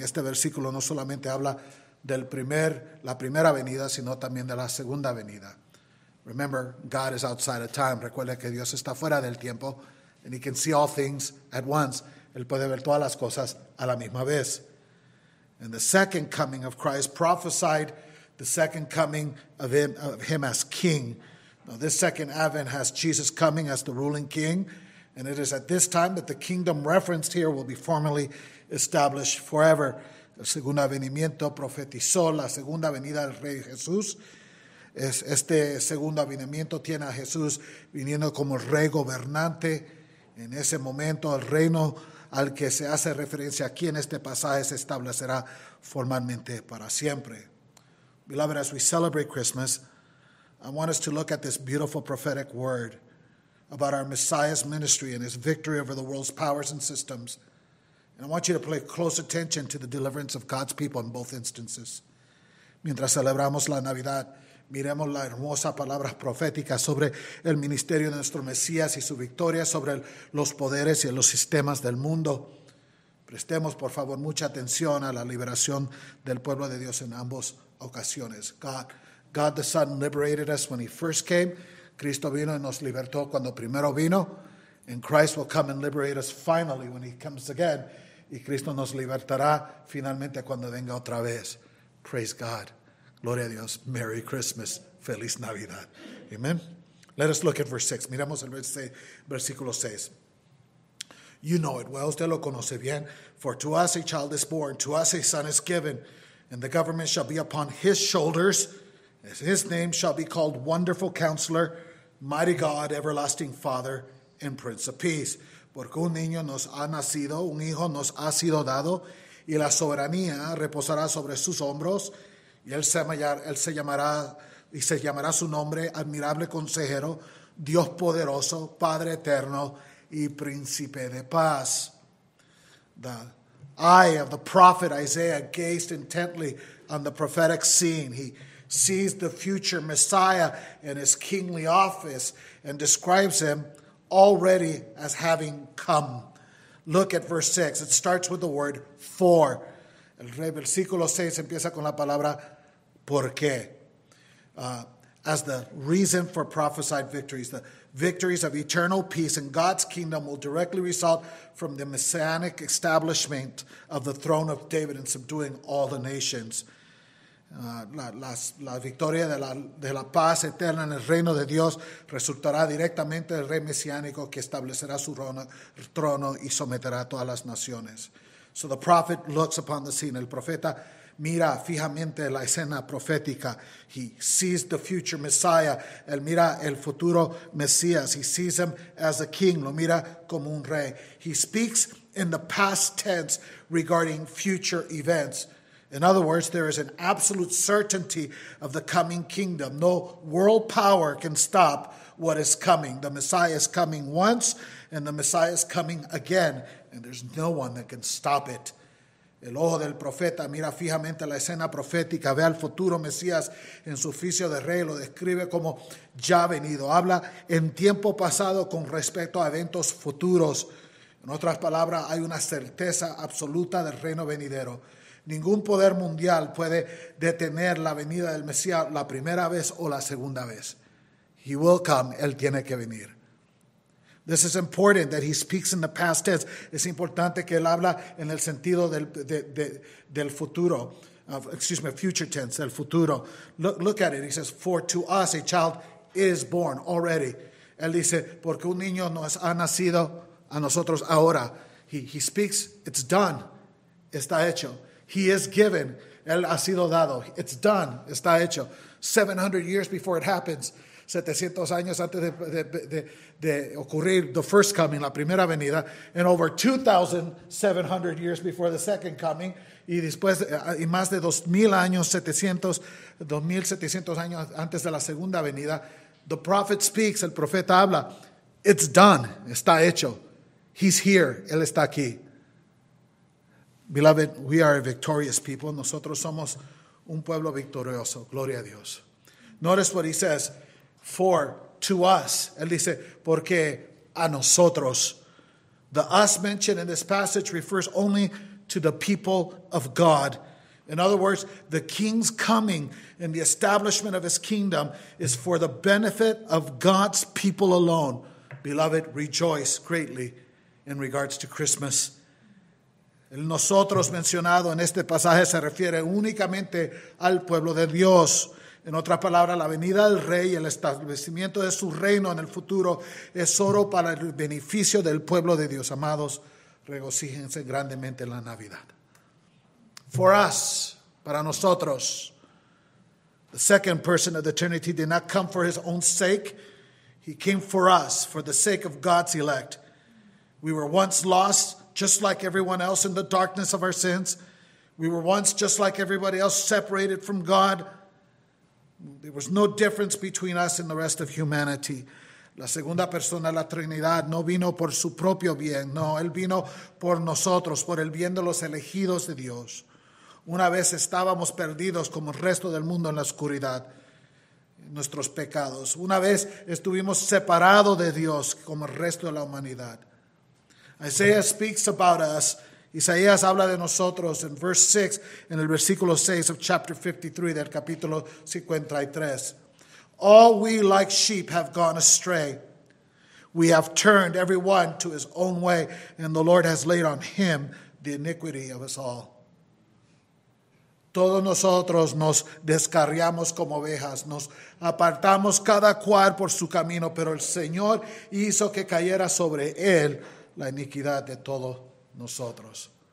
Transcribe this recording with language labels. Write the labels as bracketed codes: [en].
[es] Este versículo no solamente habla del la primera venida, sino también de la segunda venida. [en] Remember, God is outside of time. [es] Recuerda que Dios está fuera del tiempo, [en] and he can see all things at once. [es] Él puede ver todas las cosas a la misma vez. [en] And the second coming of Christ prophesied the second coming of him as king. Now, this second advent has Jesus coming as the ruling king, and it is at this time that the kingdom referenced here will be formally established forever. [es] El segundo venimiento profetizó la segunda venida del rey Jesús. Este segundo venimiento tiene a Jesús viniendo como rey gobernante. En ese momento, el reino al que se hace referencia aquí en este pasaje se establecerá formalmente para siempre. [en] Beloved, as we celebrate Christmas, I want us to look at this beautiful prophetic word about our Messiah's ministry and his victory over the world's powers and systems. And I want you to pay close attention to the deliverance of God's people in both instances. [es] Mientras celebramos la Navidad, miremos la hermosa palabra profética sobre el ministerio de nuestro Mesías y su victoria sobre los poderes y los sistemas del mundo. Prestemos, por favor, mucha atención a la liberación del pueblo de Dios en ambos ocasiones. [en] God the Son liberated us when he first came. [es] Cristo vino y nos libertó cuando primero vino. [en] And Christ will come and liberate us finally when he comes again. [es] Y Cristo nos libertará finalmente cuando venga otra vez. [en] Praise God. [es] Gloria a Dios. [en] Merry Christmas. [es] Feliz Navidad. [en] Amen. Let us look at verse 6. [es] Miramos el versículo 6. [en] You know it well. [es] Usted lo conoce bien. [en] For to us a child is born, to us a son is given. And the government shall be upon his shoulders. His name shall be called Wonderful Counselor, Mighty God, Everlasting Father, and Prince of Peace. [es] Porque un niño nos ha nacido, un hijo nos ha sido dado, y la soberanía reposará sobre sus hombros. Y él se llamará su nombre, Admirable Consejero, Dios Poderoso, Padre Eterno, y Príncipe de Paz. [en] The eye of the prophet Isaiah gazed intently on the prophetic scene. He sees the future Messiah in his kingly office and describes him already as having come. Look at verse 6. It starts with the word for. [es] El versículo 6 empieza con la palabra por qué. [en] As the reason for prophesied victories, the victories of eternal peace in God's kingdom will directly result from the messianic establishment of the throne of David and subduing all the nations. [es] La victoria de la paz eterna en el reino de Dios resultará directamente del rey mesiánico que establecerá su trono y someterá a todas las naciones. [en] So the prophet looks upon the scene. [es] El profeta mira fijamente la escena profética. [en] He sees the future Messiah. Él mira el futuro Mesías. He sees him as a king. Lo mira como un rey. He speaks in the past tense regarding future events. In other words, there is an absolute certainty of the coming kingdom. No world power can stop what is coming. The Messiah is coming once, and the Messiah is coming again, and there's no one that can stop it. [es] El ojo del profeta mira fijamente la escena profética, ve al futuro Mesías en su oficio de rey, lo describe como ya venido. Habla en tiempo pasado con respecto a eventos futuros. En otras palabras, hay una certeza absoluta del reino venidero. Ningún poder mundial puede detener la venida del Mesías la primera vez o la segunda vez. [en] He will come. [es] Él tiene que venir. [en] This is important that he speaks in the past tense. [es] Es importante que él habla en el sentido del futuro. [en] Future tense, [es] del futuro. [en] Look at it. He says, for to us a child is born already. [es] Él dice, porque un niño nos ha nacido a nosotros ahora. [en] He speaks, it's done. [es] Está hecho. [en] He is given. [es] Él ha sido dado. [en] It's done. [es] Está hecho. [en] 700 years before it happens. [es] 700 años antes de ocurrir [en] the first coming, [es] la primera venida, [en] and over 2,700 years before the second coming, [es] y después, y más de 2,700 años antes de la segunda venida, [en] the prophet speaks, [es] el profeta habla, [en] it's done, [es] está hecho, [en] he's here, [es] él está aquí. [en] Beloved, we are a victorious people, [es] nosotros somos un pueblo victorioso, gloria a Dios. [en] Notice what he says, for to us, [es] él dice, porque a nosotros. [en] The us mentioned in this passage refers only to the people of God. In other words, the king's coming and the establishment of his kingdom is for the benefit of God's people alone. Beloved, rejoice greatly in regards to Christmas. [es] El nosotros mencionado en este pasaje se refiere únicamente al pueblo de Dios. En otras palabras, la venida del rey y el establecimiento de su reino en el futuro es solo para el beneficio del pueblo de Dios. Amados, regocíjense grandemente en la Navidad. [en] For us, [es] para nosotros, [en] the second person of the Trinity did not come for his own sake. He came for us, for the sake of God's elect. We were once lost, just like everyone else, in the darkness of our sins. We were once, just like everybody else, separated from God. There was no difference between us and the rest of humanity. [es] La segunda persona de la Trinidad no vino por su propio bien. No, él vino por nosotros, por el bien de los elegidos de Dios. Una vez estábamos perdidos como el resto del mundo en la oscuridad, en nuestros pecados. Una vez estuvimos separados de Dios como el resto de la humanidad. [en] Isaiah speaks about us. [es] Isaías habla de nosotros en verse 6, en el versículo 6 [en] of chapter 53, [es] del capítulo 53. [en] All we like sheep have gone astray. We have turned everyone to his own way, and the Lord has laid on him the iniquity of us all. [es] Todos nosotros nos descarriamos como ovejas, nos apartamos cada cual por su camino, pero el Señor hizo que cayera sobre él la iniquidad de todos nosotros.